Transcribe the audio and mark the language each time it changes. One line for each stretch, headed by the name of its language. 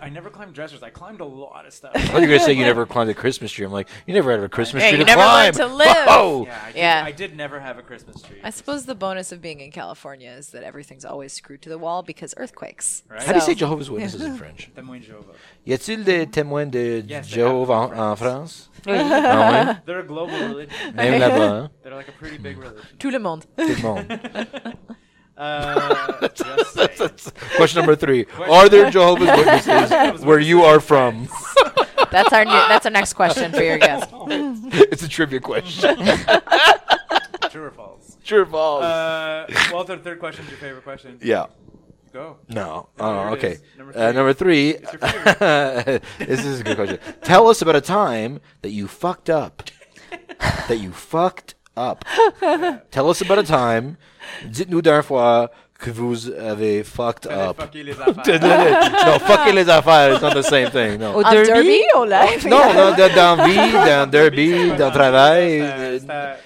English: I never climbed dressers. I climbed a lot of stuff. I thought you were gonna say you never climbed a Christmas tree. I'm like, you never had a Christmas tree you never climb. To live. Oh yeah, yeah. I did never have a Christmas tree. I suppose the bonus of being in California is that everything's always screwed to the wall because earthquakes. Right? So. How do you say Jehovah's Witnesses in French?
French: Témoins de Jehovah. Y a-t-il des témoins de Jehovah en France? Oui. Ah, oui.
English: They're a global religion.
French: Même là-bas.
English: They're like a pretty big religion.
French: Tout le monde. Tout le monde.
English: that's question number three. Question are there Jehovah's Witnesses where you are from? That's our that's our next question for your guest. It's a trivia question. True or false? True or false? Walter, third question is your favorite question. Yeah. Go. No. Oh, okay. Number three. This is a good question. Tell us about a time that you fucked up. That you fucked up. Yeah. Tell us about a time.
French: Dites-nous d'une fois que vous avez
English: fucked up. No, fucking
French: les affaires.
English: It's not the same thing. No.
French: Au derby ou life?
English: No, no,
French: dans vie, dans derby, dans travail.